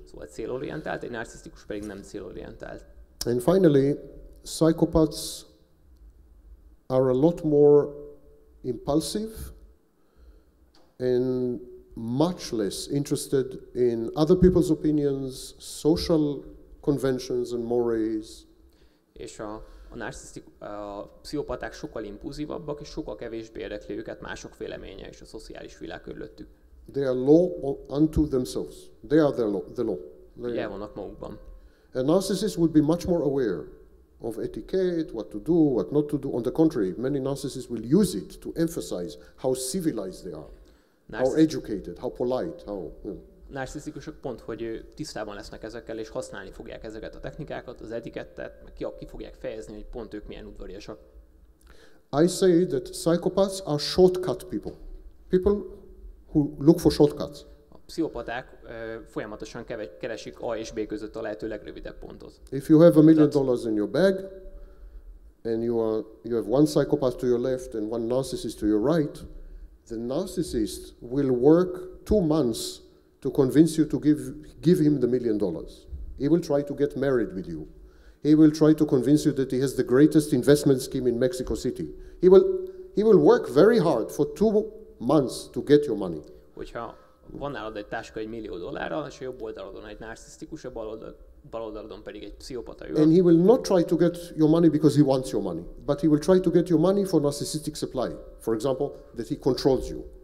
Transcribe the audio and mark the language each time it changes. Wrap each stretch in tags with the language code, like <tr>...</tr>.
<hu>Szóval célorientált, egy narcisztikus pedig nem célorientált.</hu> <en>And finally, psychopaths are a lot more impulsive and much less interested in other people's opinions, social conventions and mores.</en> <hu>És a pszichopaták sokkal impulzívabbak és sokkal kevésbé érdekli őket mások véleménye és a szociális világ körülöttük.</hu> <en>They are law unto themselves. They are the law.</en> <hu>Ugye vannak magukban.</hu> <en>A narcissist would be much more aware of etiquette, what to do, what not to do. On the contrary, many narcissists will use it to emphasize how civilized they are. How educated, how polite, how... Yeah.</en> <hu>Narcisztikusok pont, hogy tisztában lesznek ezekkel, és használni fogják ezeket a technikákat, az etikettet, meg ki fogják fejezni, hogy pont ők milyen udvariasak.</hu> <en>I say that psychopaths are shortcut people. People who look for shortcuts.</en> <hu>A pszichopaták folyamatosan keresik A és B között a lehető legrövidebb pontot.</hu> <en>If you have $1 million in your bag, and you have one psychopath to your left and one narcissist to your right, the narcissist will work 2 months to convince you to give him $1 million. He will try to get married with you. He will try to convince you that he has the greatest investment scheme in Mexico City. He will work very hard for 2 months to get your money.</en> <hu>Hogyha van nálad egy táska $1 million, és a jobb oldalon egy narcisztikus, a bal oldalon pedig egy pszichopata.</hu> <en>And he will not try to get your money because he wants your money, but he will try to get your money for narcissistic supply. For example, that he controls you.</en>